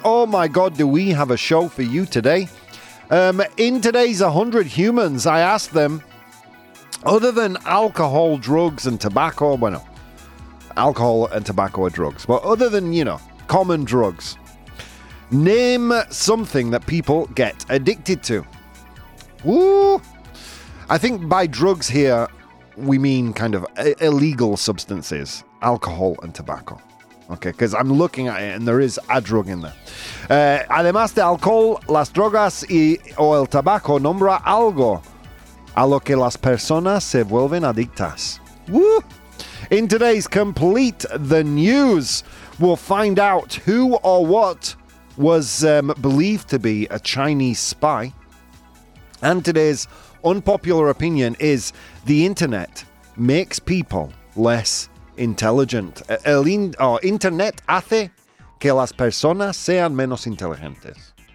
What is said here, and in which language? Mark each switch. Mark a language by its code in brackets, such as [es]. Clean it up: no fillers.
[en] Oh my God, do we have a show for you today? In today's 100 humans, I asked them, other than alcohol, drugs and tobacco, bueno, alcohol and tobacco are drugs, but other than, you know, common drugs, name something that people get addicted to. Ooh, I think by drugs here, we mean kind of illegal substances, alcohol and tobacco. Okay, because I'm looking at it and there is a drug in there. [es] Además de alcohol, las drogas y o el tabaco nombra algo a lo que las personas se vuelven adictas. Woo! [en] In today's Complete the News, we'll find out who or what was believed to be a Chinese spy. And today's unpopular opinion is the internet makes people less intelligent. [es] Internet hace que las personas sean menos inteligentes.